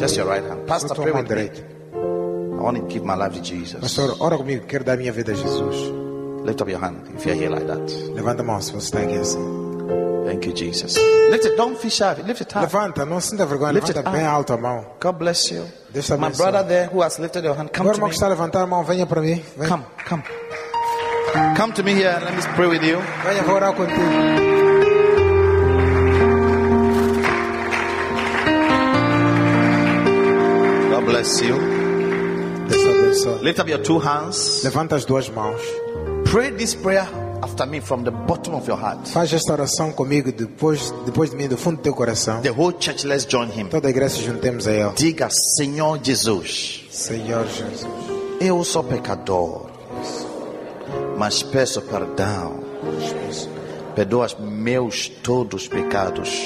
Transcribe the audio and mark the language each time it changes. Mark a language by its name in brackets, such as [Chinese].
[English] just your right hand. Pastor, pray with me. want to give my life to Jesus. [Portuguese] Pastor, ora comigo, quero dar minha vida a Jesus. [English] Lift up your hand if you're here like that. [Portuguese] Levanta a mão se você está aqui assim. [English] Thank you, Jesus. Lift it, don't feel shy. Lift it up. [Portuguese] Levanta, não sinta vergonha. [English] Lift it up. [Portuguese] Bem alto a mão. [English] God bless you. [Portuguese] Deus te abençoe. [English] My brother there who has lifted your hand, come to me. [Portuguese] Está a levantar a mão, venha para mim. Vem. [English] Come to me here. And let me pray with you. [Portuguese] Venha, vou orar contigo. [English] God bless you. [Portuguese] Deus te abençoe. [English] Lift up your two hands. [Portuguese] Levanta as duas mãos. [English] Pray this prayer after me from the bottom of your heart. [Portuguese] Faz esta oração comigo depois de mim do fundo do teu coração. [English] The whole church, let's join him. [Portuguese] Toda a igreja juntemos a ele. Diga, Senhor Jesus. Senhor Jesus. Eu sou pecador. Mas peço perdão. Perdoa meus todos os pecados.